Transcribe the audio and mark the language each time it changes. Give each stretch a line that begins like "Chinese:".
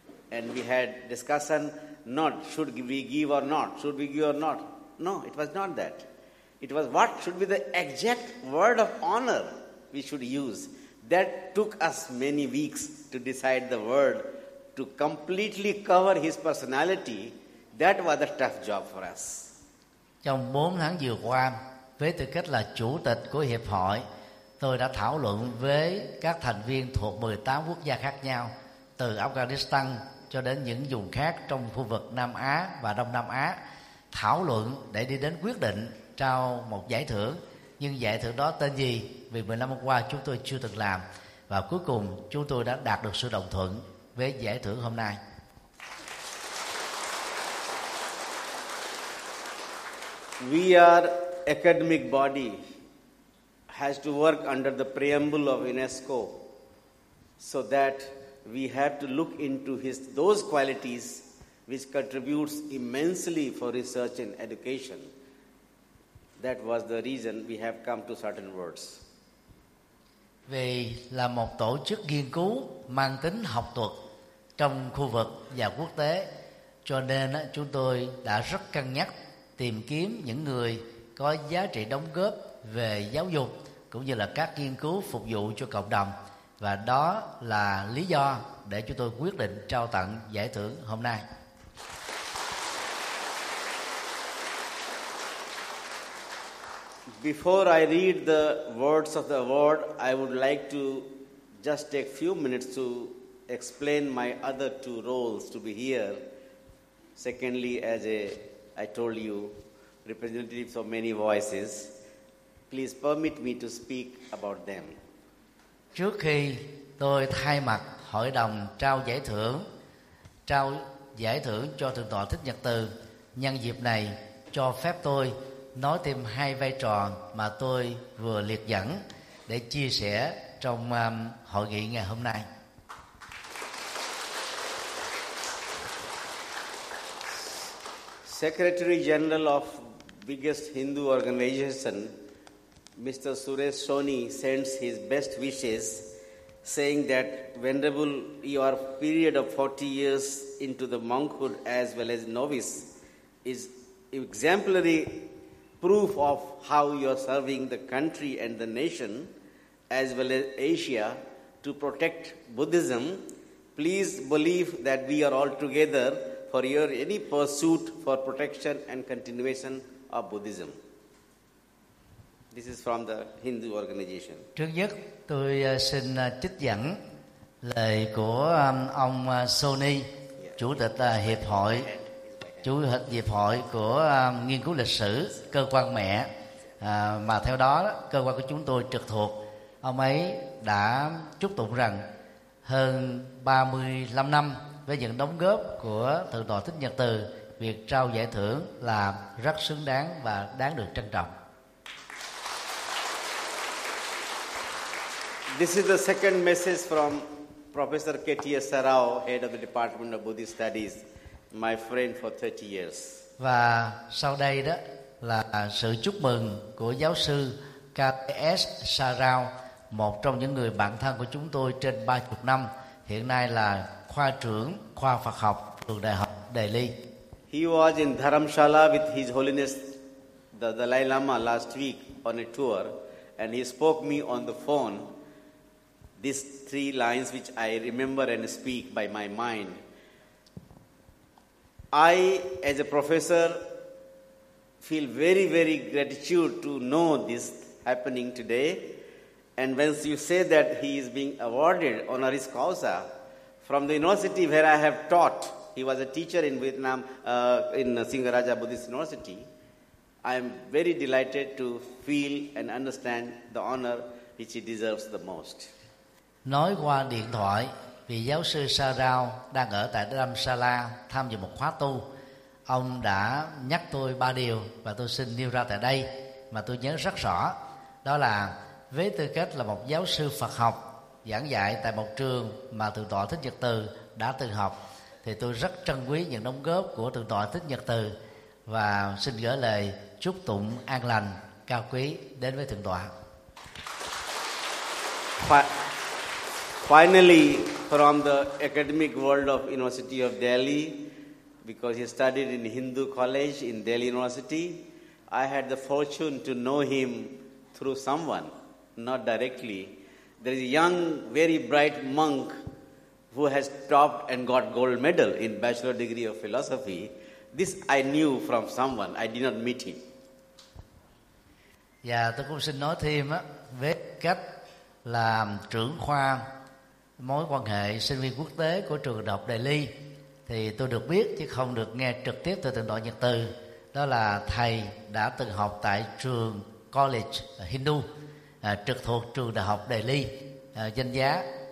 English: And we had discussion, not should we give or not, should we give or not. No, it was not that. It was what should be the exact word of honor we should use. That took us many weeks to decide the word to completely cover his personality. That was a tough job for us.
Vietnamese: Trong 4 tháng vừa qua, với tư cách là chủ tịch của hiệp hội, tôi đã thảo luận với các thành viên thuộc 18 quốc gia khác nhau, từ Afghanistan cho đến những vùng khác trong khu vực Nam Á và Đông Nam Á, thảo luận để đi đến quyết định trao một giải thưởng. Nhưng giải thưởng đó tên gì? Vì 15 năm qua chúng tôi chưa từng làm. Và cuối cùng chúng tôi đã đạt được sự đồng thuận với giải thưởng hôm nay.
English: We are academic body has to work under the preamble of UNESCO, so that we have to look into his those qualities which contributes immensely for research and education. That was the reason we have come to certain words.
Vietnamese: Vì là một tổ chức nghiên cứu mang tính học thuật trong khu vực và quốc tế, cho nên chúng tôi đã rất cân nhắc tìm kiếm những người có giá trị đóng góp về giáo dục cũng như là các nghiên cứu phục vụ cho cộng đồng. Và đó là lý do để chúng tôi quyết định trao tặng giải thưởng hôm nay.
English: Before I read the words of the award, I would like to just take a few minutes to explain my other two roles to be here. Secondly, as I told you, representatives of many voices, please permit me to speak about them.
Vietnamese: Trước khi tôi thay mặt hội đồng trao giải thưởng, trao giải thưởng cho Thượng tọa Thích Nhật Từ. Nhân dịp này cho phép tôi nói thêm hai vai trò mà tôi vừa liệt dẫn để chia sẻ trong hội nghị ngày hôm nay.
English: Secretary General of biggest Hindu organization, Mr. Suresh Soni, sends his best wishes, saying that Venerable, your period of 40 years into the monkhood as well as novice is exemplary proof of how you are serving the country and the nation as well as Asia to protect Buddhism. Please believe that we are all together for your any pursuit for protection and continuation of Buddhism. This is from the Hindu organization.
Vietnamese: Trước nhất, tôi xin trích dẫn lời của ông Soni, chủ tịch hiệp hội, chủ tịch hiệp hội của nghiên cứu lịch sử cơ quan mẹ, mà theo đó cơ quan của chúng tôi trực thuộc. Ông ấy đã chúc tụng rằng hơn 35 năm với những đóng góp của Thượng tọa Thích Nhật Từ, việc trao giải thưởng là rất xứng đáng và đáng được trân trọng.
English: This is the second message from Professor K.T.S. Sarao, head of the Department of Buddhist Studies, my friend for 30 years.
Vietnamese: Và sau đây đó là sự chúc mừng của giáo sư K.T.S. Sarao, một trong những người bạn thân của chúng tôi trên 30 năm, hiện nay là khoa trưởng khoa Phật học trường Đại học Delhi.
English: He was in Dharamshala with His Holiness the Dalai Lama last week on a tour, and he spoke me on the phone these three lines which I remember and speak by my mind. I, as a professor, feel very, very gratitude to know this happening today. And once you say that he is being awarded honoris causa from the university where I have taught, he was a teacher in Vietnam, in Singaraja Buddhist University, I am very delighted to feel and understand the honor which he deserves the most.
Vietnamese: Nói qua điện thoại, vì giáo sư Sarao đang ở tại Dharamsala tham dự một khóa tu, ông đã nhắc tôi ba điều và tôi xin nêu ra tại đây mà tôi nhớ rất rõ. Đó là với tư cách là một giáo sư Phật học giảng dạy tại một trường mà Thượng tọa Thích Nhật Từ đã từng học, thì tôi rất trân quý những đóng góp của Thượng tọa Thích Nhật Từ và xin gửi lời chúc tụng an lành cao quý đến với Thượng tọa.
English: Finally, from the academic world of University of Delhi, because he studied in Hindu College in Delhi University, I had the fortune to know him through someone, not directly. There is a young, very bright monk who has topped and got gold medal in bachelor degree of philosophy. This I knew from someone. I did not meet him.
Vietnamese: Yeah, tôi cũng xin nói thêm á, với cách làm trưởng khoa mối quan hệ sinh viên quốc tế của trường Đại học Delhi, thì tôi được biết chứ không được nghe trực tiếp từ Thượng tọa Nhật Từ, đó là thầy đã từng học tại trường College Hindu trực thuộc trường Đại học Delhi danh giá.